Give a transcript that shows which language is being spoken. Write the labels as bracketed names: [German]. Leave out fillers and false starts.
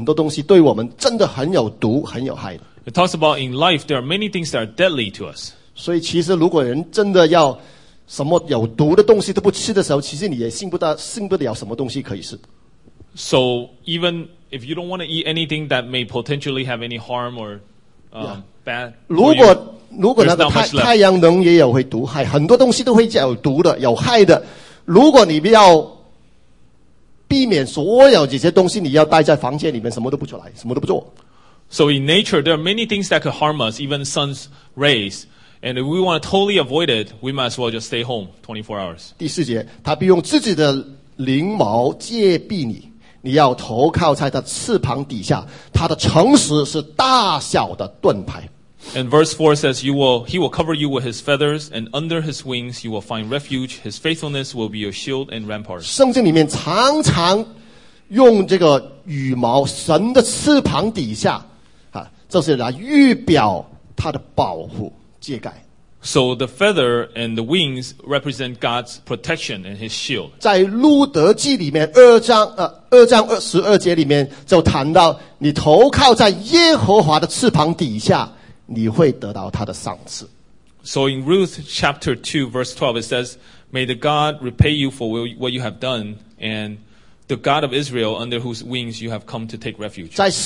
[Chinese] 也讲到我们其实在人生里面有很多东西对我们真的很有毒,很有害的。 [English] It talks about in life, there are many things that are deadly to us. [Chinese] 所以其实如果人真的要什么有毒的东西都不吃的时候,其实你也信不得了什么东西可以吃。 [English] So even if you don't want to eat anything that may potentially have any harm or bad, [Chinese] 如果那个太阳能也有会毒害,很多东西都会有毒的,有害的,如果你要避免所有这些东西,你要待在房间里面什么都不出来,什么都不做。 [English] So in nature, there are many things that could harm us, even sun's rays. And if we want to totally avoid it, we might as well just stay home 24 hours. [Chinese] 第四节, 他必用自己的翎毛遮蔽你, 你要投靠在他翅膀底下, 他的诚实是大小的盾牌。 [English] And verse 4 says, you will, He will cover you with His feathers, and under His wings you will find refuge. His faithfulness will be your shield and rampart. [Chinese] 圣经里面常常用这个羽毛, 神的翅膀底下, 啊, 这是来预表他的保护, 遮盖。 [English] So the feather and the wings represent God's protection and His shield. [Chinese] 在路德记里面二章二十二节里面就谈到你投靠在耶和华的翅膀底下, 你会得到他的赏赐。 [English] So in Ruth chapter 2 verse 12 it says, May the God repay you for what you have done, and the God of Israel under whose wings you have come to take refuge.